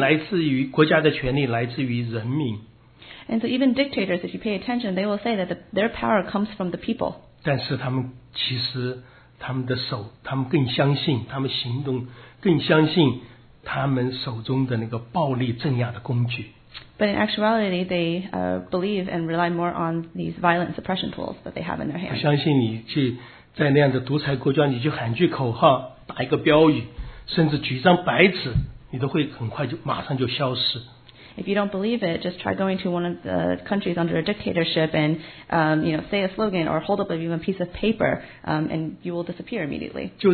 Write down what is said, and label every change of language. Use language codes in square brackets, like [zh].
[zh] 独裁者他口中也会说了,你注意他们口中,他们也都说他们的权力来自于,国家的权力来自于人民。 [en] And so even dictators, if you pay attention, they will say that their power comes from the people. [zh] 但是他们其实... 他们的手, 他们更相信, 他们行动, 更相信 他们手中的那个暴力镇压的工具。 [en] But in actuality, they believe and rely more on these violent suppression tools that they have in their hands. [zh] 他相信你去, 在那样的独裁国家, 你去喊句口号, 打一个标语, 甚至举张白纸, 你都会很快就, 马上就消失。 [en] If you don't believe it, just try going to one of the countries under a dictatorship and you know, say a slogan or hold up even a piece of paper and you will disappear immediately.